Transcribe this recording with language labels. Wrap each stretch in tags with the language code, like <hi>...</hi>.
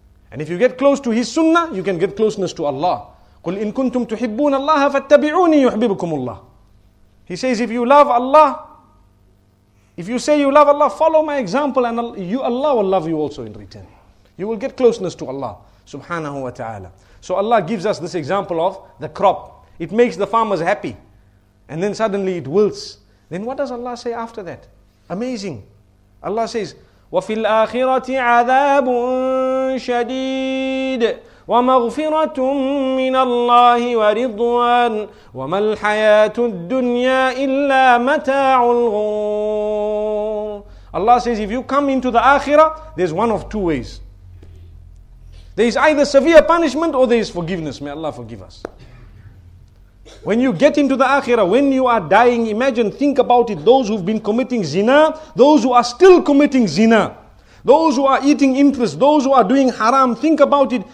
<en>And if you get close to his sunnah, you can get closeness to Allah.</en> <ar>قُلْ إِن كُنْتُمْ تُحِبُّونَ اللَّهَ فَاتَّبِعُونِي يُحْبِبُكُمُ اللَّهِ.</ar> <en>He says, if you love Allah, if you say you love Allah, follow my example and Allah will love you also in return. You will get closeness to Allah subhanahu wa ta'ala. So Allah gives us this example of the crop. It makes the farmers happy. And then suddenly it wilts. Then what does Allah say after that? Amazing. Allah says,</en> <ar>وَفِي الْآخِرَةِ عَذَابٌ شَدِيدٌ وَمَغْفِرَةٌ مِّنَ اللَّهِ وَرِضْوَانٌ وَمَا الْحَيَاةُ الدُّنْيَا إِلَّا مَتَاعُ الْغُرُورِ.</ar> <en>Allah says, if you come into the Akhirah, there's one of two ways. There is either severe punishment or there is forgiveness. May Allah forgive us. When you get into the Akhirah, when you are dying, imagine, think about it, those who've been committing zina, those who are still committing zina, those who are eating interest, those who are doing haram, think about it.</en>